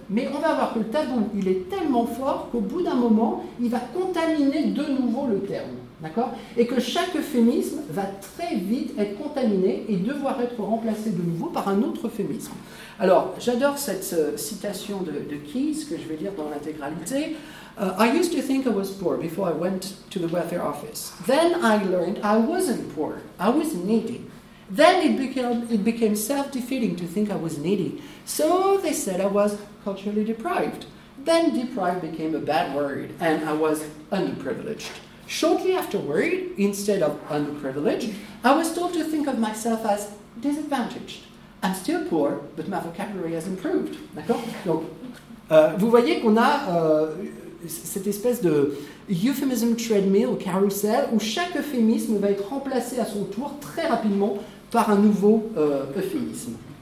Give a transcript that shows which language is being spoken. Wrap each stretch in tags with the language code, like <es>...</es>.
<fr>Mais on va voir que le tabou il est tellement fort qu'au bout d'un moment, il va contaminer de nouveau le terme. D'accord ? Et que chaque euphémisme va très vite être contaminé et devoir être remplacé de nouveau par un autre euphémisme. Alors, j'adore cette citation de Keyes que je vais lire dans l'intégralité.</fr> <en>I used to think I was poor before I went to the welfare office. Then I learned I wasn't poor. I was needy. Then it became self-defeating to think I was needy. So they said I was culturally deprived. Then deprived became a bad word, and I was underprivileged. Shortly afterward, instead of underprivileged, I was told to think of myself as disadvantaged. I'm still poor, but my vocabulary has improved.</en> <fr>D'accord? Donc, vous voyez qu'on a cette espèce de euphemism treadmill, carousel, où chaque euphémisme va être remplacé à son tour très rapidement par un nouveau euphémisme.</fr>